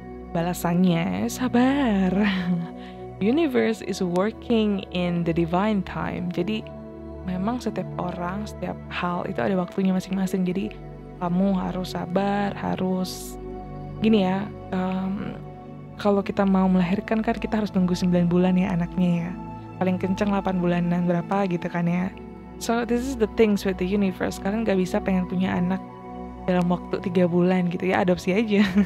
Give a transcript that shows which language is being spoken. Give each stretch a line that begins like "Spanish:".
Indonesian: Balasannya, sabar.
English: Universe is working in the divine time.
Indonesian: Jadi, memang setiap orang, setiap hal itu ada waktunya masing-masing. Jadi, kamu harus sabar, harus... Gini ya, kalau kita mau melahirkan kan kita harus nunggu 9 bulan ya anaknya ya. Paling kenceng 8 bulanan berapa gitu kan ya.
English: So this is the things with the universe.
Indonesian: Kalian gak bisa pengen punya anak dalam waktu 3 bulan gitu ya, adopsi aja.